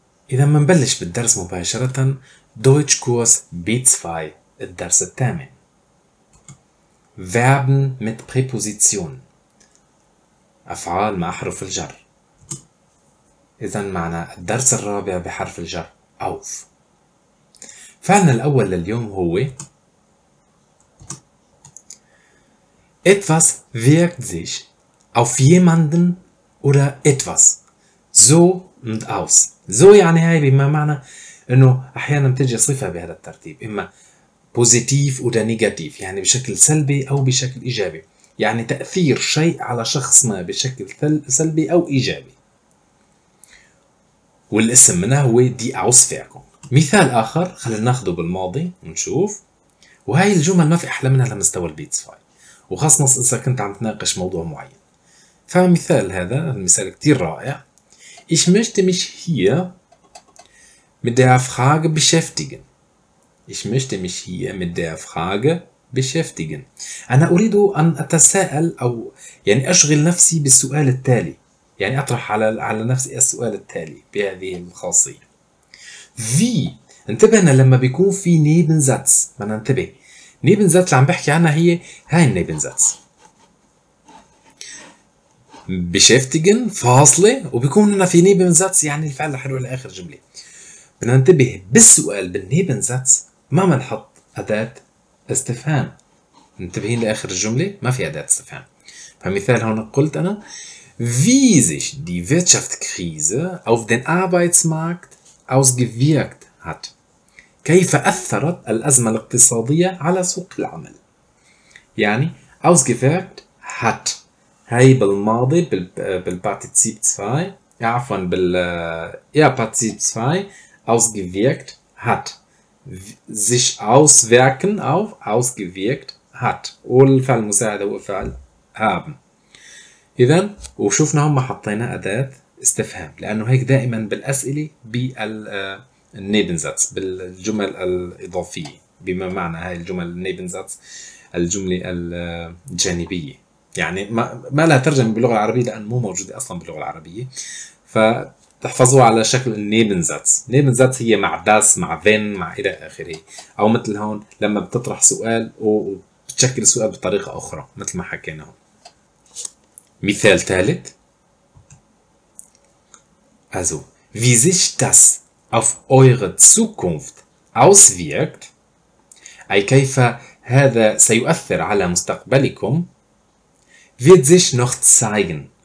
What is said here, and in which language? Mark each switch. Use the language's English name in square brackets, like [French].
[Arabic] إذا منبلش بالدرس مباشرة، Deutsch Kurs Beats 5، الدرس الثامن. [German] Verben mit Präposition، [Arabic] أفعال مع حرف الجر. إذا معنا الدرس الرابع بحرف الجر auf. فعلنا الأول لليوم هو [German] etwas wirkt sich auf jemanden oder etwas so und aus. [Arabic] so يعني هاي بما معنى انه احيانا بتجي صفة بهذا الترتيب، اما [German] positiv oder negativ، [Arabic] يعني بشكل سلبي او بشكل ايجابي، يعني تأثير شيء على شخص ما بشكل سلبي او ايجابي. والاسم منها هو دي أوسفيركونغ. مثال آخر خلينا ناخده بالماضي ونشوف، وهي الجمل ما في أحلى منها لمستوى البيتس فاي، وخاصة إذا كنت عم تناقش موضوع معين. فمثال هذا المثال كتير رائع. [German] Ich möchte mich hier mit der Frage beschäftigen. Ich möchte mich hier mit der Frage beschäftigen. [Arabic] أنا أريد أن أتساءل أو يعني أشغل نفسي بالسؤال التالي، يعني أطرح على نفسي السؤال التالي بهذه الخاصية. في انتبهنا لما بيكون في نيبنزاتس، ما ننتبه نيبنزاتس اللي عم بحكي عنها هي هاي النيبنزاتس. بشفتجن فاصلة وبيكون هنا في نيبنزاتس يعني الفعل الحلو لآخر جملة. بننتبه بالسؤال بالنيبنزاتس ما منحط أداة استفهام. انتبهين لآخر الجملة ما في أداة استفهام. فمثال هون قلت أنا [German] wie sich die Wirtschaftskrise auf den Arbeitsmarkt ausgewirkt hat. [Arabic] كيف أثرت الأزمة الاقتصادية على سوق العمل؟ يعني [German] ausgewirkt hat. [Arabic] هاي بالماضي بالبارتيزيب 2، عفوا بال بارتيزيب 2 [German] ausgewirkt hat. sich auswirken auf ausgewirkt hat. [Arabic] والفعل المساعد هو فعل haben. إذا وشوفنا هم حطينا أداة استفهام، لأنه هيك دائما بالأسئلة بالنيبنزاتس بالجمل الإضافية، بما معنى هاي الجمل النيبنزاتس الجملة الجانبية، يعني ما لها ترجمة باللغة العربية لأن مو موجودة أصلا باللغة العربية، فتحفظوها على شكل النيبنزاتس. نيبنزاتس هي مع داس مع ذن مع إلى آخره، أو مثل هون لما بتطرح سؤال وبتشكل السؤال بطريقة أخرى مثل ما حكينا هون. مثال ثالث. [German] Also, wie sich das auf eure Zukunft auswirkt, [Arabic] أي كيف هذا سيؤثر على مستقبلكم, [German] wird sich noch zeigen.